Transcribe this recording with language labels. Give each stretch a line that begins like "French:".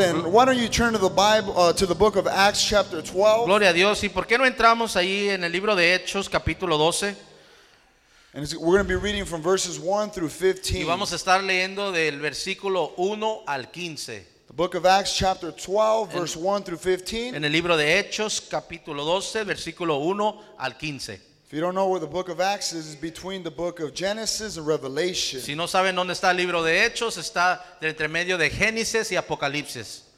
English: And why don't you turn to the Bible, to the book of Acts chapter 12?
Spanish: Gloria a Dios. ¿Y por qué no entramos ahí en el libro de Hechos capítulo 12?
English: And we're going to be reading from verses 1 through 15.
Spanish: Y vamos a estar leyendo del versículo 1 al 15.
English: The book of Acts chapter 12, verse 1 through 15.
Spanish: En el libro de Hechos, capítulo 12, versículo 1 al 15.
English: If you don't know where the book of Acts is, it's between the book of Genesis and Revelation.
Spanish: Si no saben dónde está el libro de Hechos, está entre medio de Génesis y Apocalipsis.